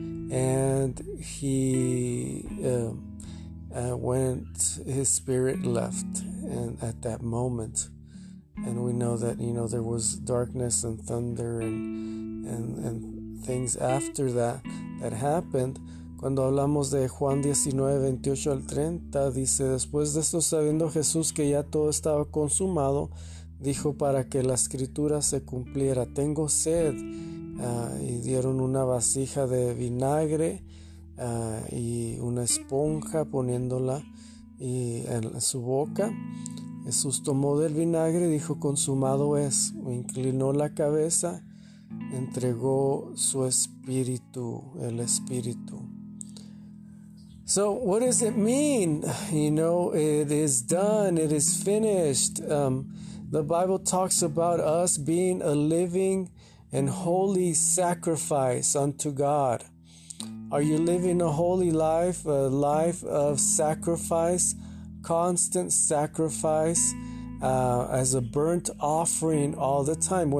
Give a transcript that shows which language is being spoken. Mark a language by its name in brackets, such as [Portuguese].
[English] and he went, his spirit left, and at that moment, and we know that, you know, there was darkness and thunder and things after that happened. [Spanish] Cuando hablamos de Juan 19, 28 al 30, dice, después de esto, sabiendo Jesús que ya todo estaba consumado, dijo, para que la escritura se cumpliera, tengo sed. Y dieron una vasija de vinagre y una esponja poniéndola en su boca. Jesús tomó del vinagre y dijo, consumado es. Inclinó la cabeza, entregó su espíritu, el espíritu. [English] So what does it mean? You know, it is done, it is finished. The Bible talks about us being a living and holy sacrifice unto God. Are you living a holy life, a life of sacrifice, constant sacrifice, as a burnt offering all the time?